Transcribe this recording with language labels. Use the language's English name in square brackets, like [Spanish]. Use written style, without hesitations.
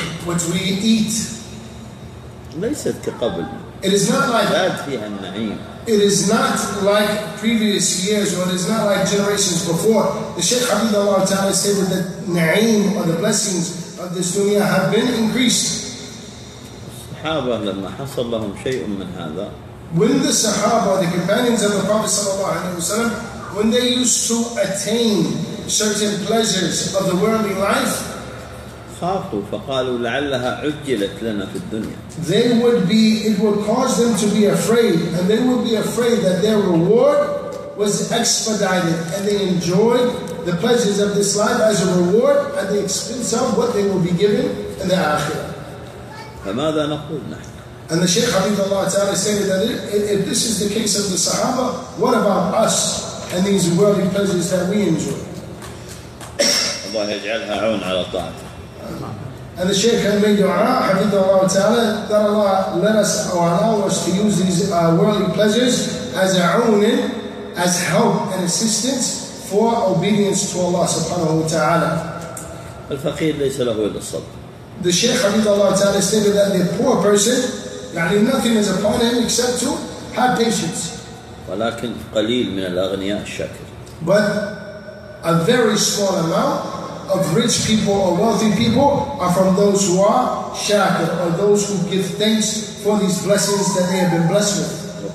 [English] What we eat, [Arabic] ليست كقبل. [English] It is not like [Arabic] زاد فيها النعيم. [English] It is not like previous years, or it is not like generations before. The Shaykh Habibullah Ta'ala stated that na'im, or the blessings of this dunya, have been increased. [Arabic] الصحابة لما حصل لهم شيء من هذا. [English] When the Sahaba, the companions of the Prophet sallallahu alaihi wasallam, when they used to attain certain pleasures of the worldly life, [Arabic] خافوا فقالوا لعلها عجلت لنا في الدنيا. [English] They would be, it would cause them to be afraid, and they would be afraid that their reward was expedited, and they enjoyed the pleasures of this life as a reward at the expense of what they will be given in the akhirah. [Arabic] فماذا نقول نحن؟ [English] And the Shaykh Habib Allah Ta'ala stated that if this is the case of the Sahaba, what about us and these worldly pleasures that we enjoy? [Arabic] الله يجعلها عون على طاعته. [English] And the Shaykh had made dua, Habib Allah Ta'ala, that Allah let us or allow us to use these worldly pleasures as a awnin, as help and assistance for obedience to Allah subhanahu wa ta'ala. [Arabic] الفقير ليس له إلا الصبر. [English] The Shaykh Habib Allah Ta'ala stated that the poor person, nothing is upon him except to have patience. [Arabic] ولكن قليل من الأغنياء الشاكر. [English] But a very small amount of rich people or wealthy people are from those who are shakir, or those who give thanks for these blessings that they have been blessed with.